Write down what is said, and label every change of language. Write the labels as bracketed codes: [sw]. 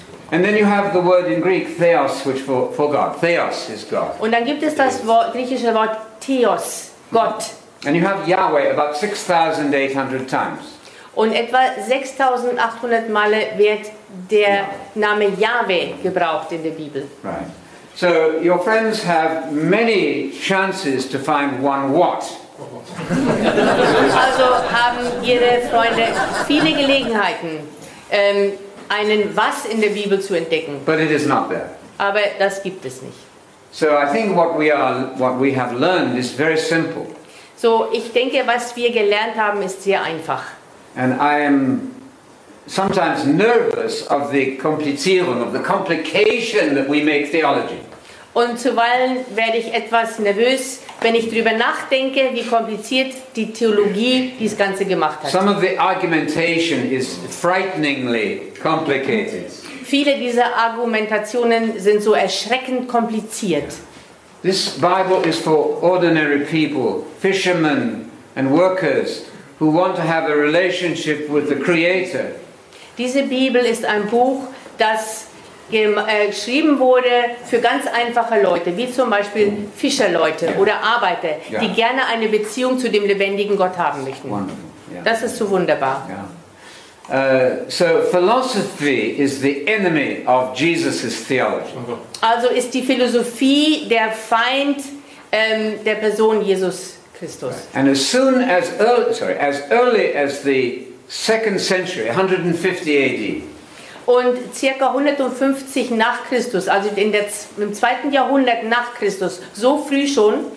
[en] And then you have the word in Greek Theos, which for God. Theos is God. [de] Und dann gibt es das Wort, griechische Wort Theos, Gott. [en] And you have Yahweh about 6,800 times. [de] Und etwa 6,800 Male wird der Name Yahweh gebraucht in der Bibel. [en] Right. So your friends have many chances to find one what. [de] Also haben Ihre Freunde viele Gelegenheiten, einen Was in der Bibel zu entdecken. [en] But it is not there. [de] Aber das gibt es nicht. [en] So I think what we have learned is very simple. [de] So ich denke, was wir gelernt haben, ist sehr einfach. [en] And I am sometimes nervous of the Komplizierung, of the complication that we make theology. [de] Und zuweilen werde ich etwas nervös, wenn ich darüber nachdenke, wie kompliziert die Theologie dies Ganze gemacht hat. [en] Some of the argumentation is frighteningly complicated. [de] Viele dieser Argumentationen sind so erschreckend kompliziert. [en] This Bible is for ordinary people, fishermen and workers who want to have a relationship with the Creator. [de] Diese Bibel ist ein Buch, das geschrieben wurde für ganz einfache Leute, wie zum Beispiel Fischerleute oder Arbeiter, die gerne eine Beziehung zu dem lebendigen Gott haben möchten. Das ist so wunderbar. [en] So philosophy is the enemy of Jesus's theology. [de] Also ist die Philosophie der Feind der Person Jesus Christus. [en] And as soon as early, as early as the second century, 150 AD. [de] Und circa 150 nach Christus, also in der, im zweiten Jahrhundert nach Christus, so früh schon.